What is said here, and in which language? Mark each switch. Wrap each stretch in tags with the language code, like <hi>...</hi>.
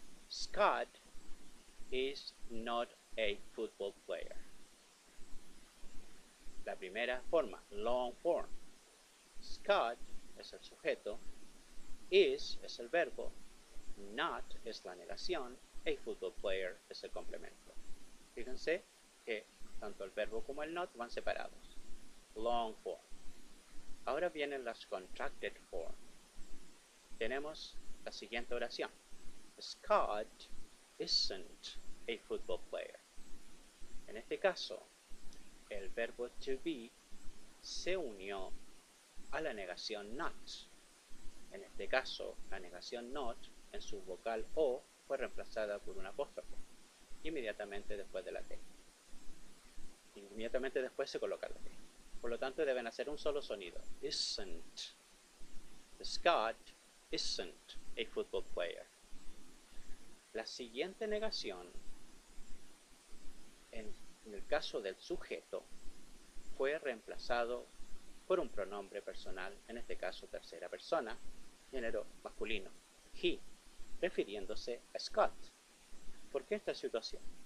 <en>Scott is not a football player.</en> <es>La primera forma, long form. Scott es el sujeto, is es el verbo, not es la negación, a football player es el complemento. Fíjense que tanto el verbo como el not van separados. Long form. Ahora vienen las contracted form. Tenemos la siguiente oración.</es> <en>Scott isn't a football player.</en> <es>En este caso, el verbo to be se unió a la negación not. En este caso, la negación not en su vocal O fue reemplazada por un apóstrofo inmediatamente después de la T. Inmediatamente después se coloca la T. Por lo tanto, deben hacer un solo sonido.</es> <en>Isn't. Scott isn't a football player.</en> <es>La siguiente negación, en el caso del sujeto, fue reemplazado por un pronombre personal, en este caso tercera persona, género masculino, he, refiriéndose a Scott. ¿Por qué esta situación?</es>